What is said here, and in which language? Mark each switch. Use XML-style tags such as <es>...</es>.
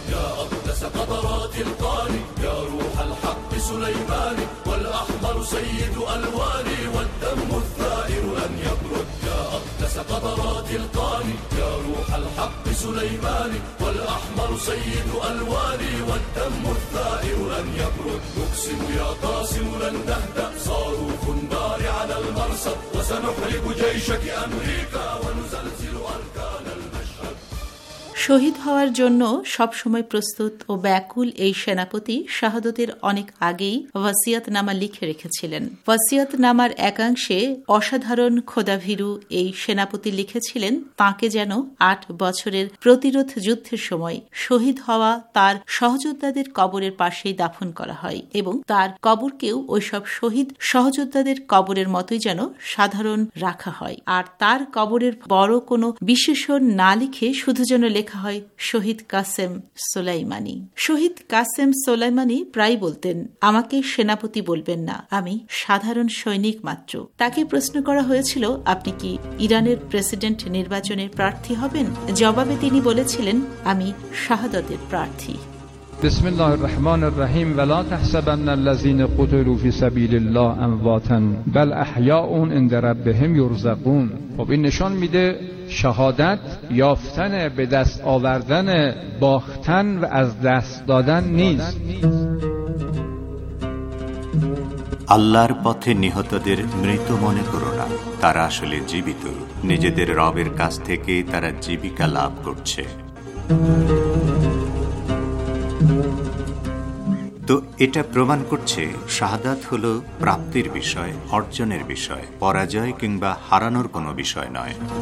<ar>يا أقدس قطرات القاري يا روح الحق سليماني والأحمر سيد ألواني والدم الثائر لن يبرد يا أقدس قطرات القاري يا روح الحق سليماني والأحمر سيد ألواني والدم الثائر لن يبرد نقسم يا قاسم لن نهدأ صاروا خندار على المرصد وسنحرق جيشك أمريكا ونزلزل أركان المشهد</ar> <bn>শহীদ হওয়ার জন্য সব সময় প্রস্তুত ও ব্যাকুল এই সেনাপতি শাহাদতের অনেক আগেই ওয়াসিয়াতনামা লিখে রেখেছিলেন। ওয়াসিয়াতনামার একাংশে অসাধারণ খোদাভীরু এই সেনাপতি লিখেছিলেন, তাঁকে যেন 8 বছরের প্রতিরোধ যুদ্ধের সময় শহীদ হওয়া তার সহযোদ্ধাদের কবরের পাশেই দাফন করা হয় এবং তার কবরকেও ওইসব শহীদ সহযোদ্ধাদের কবরের মতোই যেন সাধারণ রাখা হয়, আর তার কবরের বড় কোনো বিশেষণ না লিখে শুধু যেন লেখা হয় শহীদ কাসেম সোলাইমানি। শহীদ কাসেম সোলাইমানি প্রায় বলতেন, আমাকে সেনাপতি বলবেন না, আমি সাধারণ সৈনিক মাত্র। তাকে প্রশ্ন করা হয়েছিল, আপনি কি ইরানের প্রেসিডেন্ট নির্বাচনের প্রার্থী হবেন? জবাবে তিনি বলেছিলেন, আমি শাহাদতের প্রার্থী।</bn> <ar>بسم الله الرحمن الرحيم ولا تحسبن الذين قتلوا في سبيل الله امواتا بل احياء عند ربهم يرزقون.</ar> <fa>خب این نشان میده شهادت یافتن، به دست آوردن، باختن و از دست دادن نیست.</fa> <bn>আল্লাহর পথে নিহতদের মৃত মনে করো না, তারা আসলে জীবিত, নিজেদের রবের কাছ থেকে তারা জীবিকা লাভ করছে। তো এটা প্রমাণ করছে শাহাদাত হল প্রাপ্তির বিষয়, অর্জনের বিষয়, পরাজয় কিংবা হারানোর কোনো বিষয় নয়।</bn>